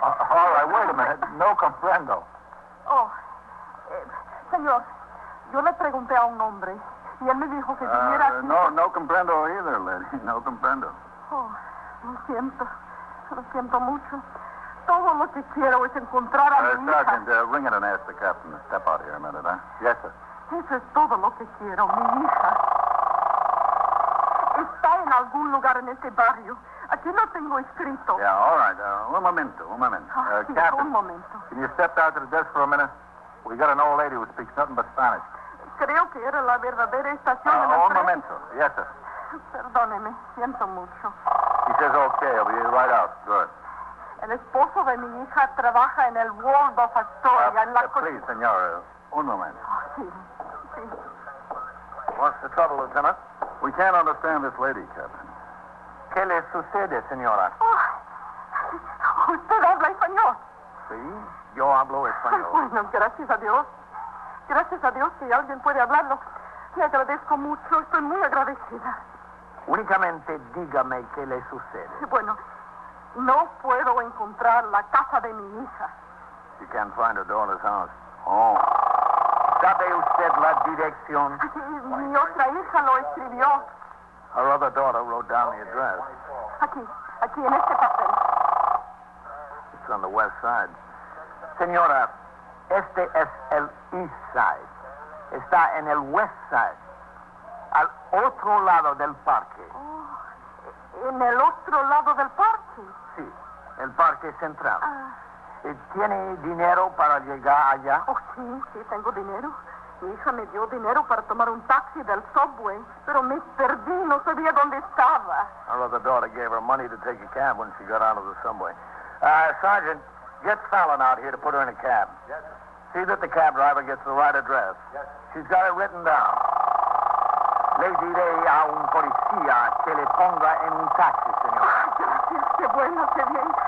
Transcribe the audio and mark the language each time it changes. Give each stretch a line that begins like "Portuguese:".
English: All right, wait a minute.
Spanish: No comprendo. Oh, señor, yo le pregunté a un hombre, y él me dijo que viniera aquí. No comprendo
English: either, lady. No comprendo.
Spanish: Oh, lo siento mucho. Todo lo que quiero es encontrar a mi
English: Sergeant, Sergeant, ring it and ask the captain to step out here a minute, huh? Yes, sir.
Spanish: Eso es todo lo que quiero, mi hija. Está en algún lugar en este barrio. Aquí no tengo escrito.
English: Yeah, all right.
Spanish: Un momento. Captain, un momento.
English: Can you step out to the desk for a minute? We got an old lady who speaks nothing but Spanish.
Spanish: Creo que era la verdadera estación. Un momento.
English: Yes, sir.
Spanish: Perdóneme. Siento mucho.
English: He says okay. He'll be right out. Good.
Spanish: El esposo de mi hija trabaja en el Waldorf Astoria. Please, señor. Un momento. Sí.
English: What's the trouble, Lieutenant? We can't understand this lady, Captain.
Spanish: ¿Qué le sucede, señora? Oh, usted habla español. Sí, yo hablo español. Bueno, gracias a Dios. Gracias a Dios que alguien puede hablarlo. Le agradezco mucho, estoy muy agradecida. Únicamente dígame qué le sucede. Bueno, no puedo encontrar la casa de mi hija.
English: You can't find her daughter's house. Oh.
Spanish: ¿Sabe usted la dirección? Mi otra hija lo escribió.
English: Her other daughter wrote down the address.
Spanish: Aquí, en este papel.
English: It's on the west side.
Spanish: Señora, este es el
English: east side.
Spanish: Está en el west side. Al otro lado del parque. Oh, en el otro lado del parque. Sí, el parque central. ¿Tiene dinero para llegar allá? Oh, sí, sí, tengo dinero. Mi hija me dio dinero para tomar un taxi del subway, pero me perdí, no sabía dónde estaba.
English: Her other daughter gave her money to take a cab when she got out of the subway. Sergeant, get Fallon out here to put her in a cab. Yes, sir. See that the cab driver gets the right address. Yes, sir. She's got it written down.
Spanish: Le diré a un policía que le ponga en un taxi, señor. Ay, gracias, qué bueno, qué bien.